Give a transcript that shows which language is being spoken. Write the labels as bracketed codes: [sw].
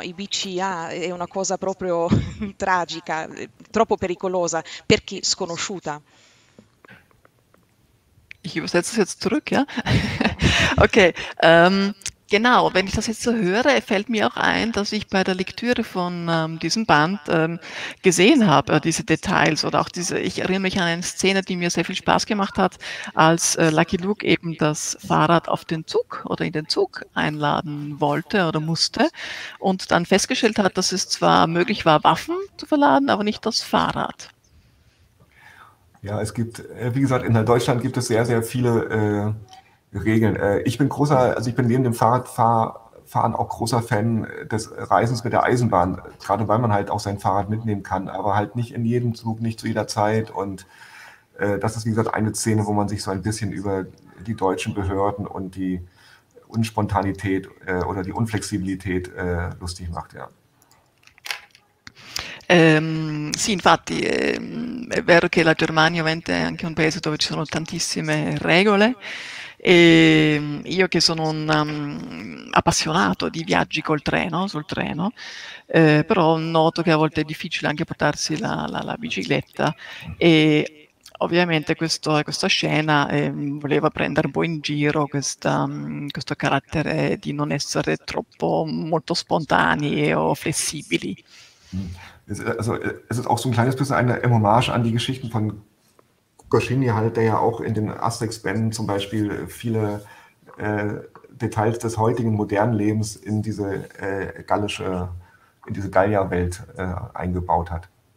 [it] I bici è una cosa proprio tragica, troppo pericolosa, perché sconosciuta. [de] Ich übersetze es jetzt zurück, ja? Okay. Genau, wenn ich das jetzt so höre, fällt mir auch ein, dass ich bei der Lektüre von diesem Band gesehen habe, diese Details oder auch diese, ich erinnere mich an eine Szene, die mir sehr viel Spaß gemacht hat, als Lucky Luke eben das Fahrrad auf den Zug oder in den Zug einladen wollte oder musste und dann festgestellt hat, dass es zwar möglich war, Waffen zu verladen, aber nicht das Fahrrad. Ja, es gibt, wie gesagt, in Deutschland gibt es sehr, sehr viele Regeln. Ich bin neben dem Fahrradfahren auch großer Fan des Reisens mit der Eisenbahn, gerade weil man halt auch sein Fahrrad mitnehmen kann, aber halt nicht in jedem Zug, nicht zu jeder Zeit. Und das ist, wie gesagt, eine Szene, wo man sich so ein bisschen über die deutschen Behörden und die Unspontanität oder die Unflexibilität lustig macht, ja. [it] Sì, infatti è vero che la Germania ovviamente è anche un paese dove ci sono tantissime regole, e io che sono un appassionato di viaggi sul treno, però noto che a volte è difficile anche portarsi la bicicletta, e ovviamente questa scena voleva prendere un po' in giro questo carattere di non essere troppo molto spontanei o flessibili. [de] Also es ist auch so ein kleines bisschen eine Hommage an die Geschichten von Goscinny halt, der ja auch in den Asterix-Bänden zum Beispiel viele Details des heutigen modernen Lebens in diese in diese Gallia-Welt eingebaut hat.